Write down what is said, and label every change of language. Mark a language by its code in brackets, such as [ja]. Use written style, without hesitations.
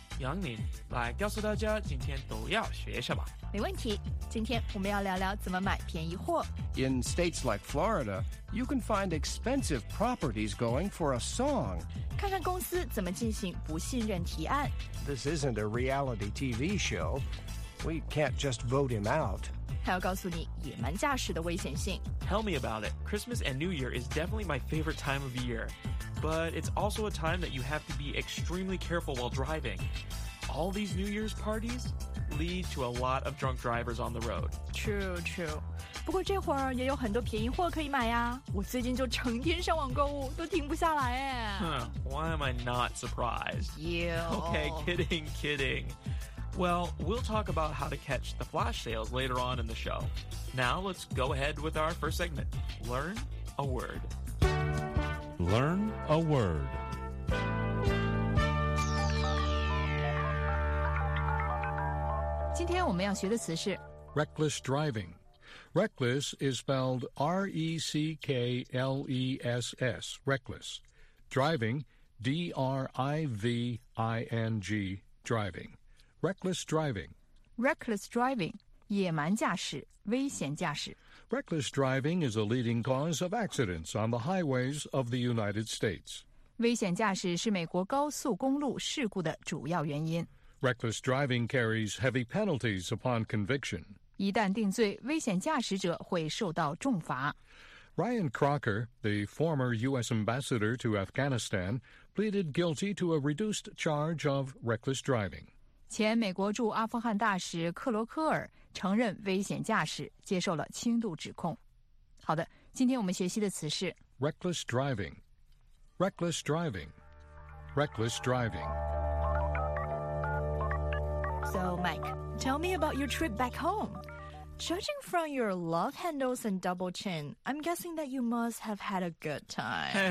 [zh] 杨林来告诉大家今天都要学什么。没问题，今天我们要聊聊怎么买便宜货。 [en] In states like Florida, you can find expensive properties going for a song. [zh] 看看公司怎么进行不信任提案。 [en] This isn't a reality TV show. We can't just vote him out. [zh] 还要告诉你野蛮驾驶的危险性。 [en] Tell me about it. Christmas and New Year is definitely my favorite time of year. But it's also a time that you have to be extremely careful while driving. All these New Year's parties lead to a lot of drunk drivers on the road. True, true. [zh] 不过这会儿也有很多便宜货可以买呀。我最近就成天上网购物，都停不下来哎。 [en] Why am I not surprised? Ew. Okay, kidding, kidding. Well, we'll talk about how to catch the flash sales later on in the show. Now, let's go ahead with our first segment. Learn a word. Learn a word. Today, we're going to learn the word reckless driving. Reckless is spelled R-E-C-K-L-E-S-S, reckless. Driving, D-R-I-V-I-N-G, driving. Reckless driving. Reckless driving, [zh] 野蛮驾驶,危险驾驶。 [en] Reckless driving is a leading cause of accidents on the highways of the United States. [zh] 危险驾驶是美国高速公路事故的主要原因。 [en] Reckless driving carries heavy penalties upon conviction. [zh] 一旦定罪,危险驾驶者会受到重罚。 [en] Ryan Crocker, the former U.S. ambassador to Afghanistan, pleaded guilty to a reduced charge of reckless driving. [zh] 前美国驻阿富汗大使克罗科尔承认危险驾驶，接受了轻度指控。好的，今天我们学习的词是 [en] reckless driving, reckless driving, reckless driving. So, Mike, tell me about your trip back home. Judging from your love handles and double chin, I'm guessing that you must have had a good time.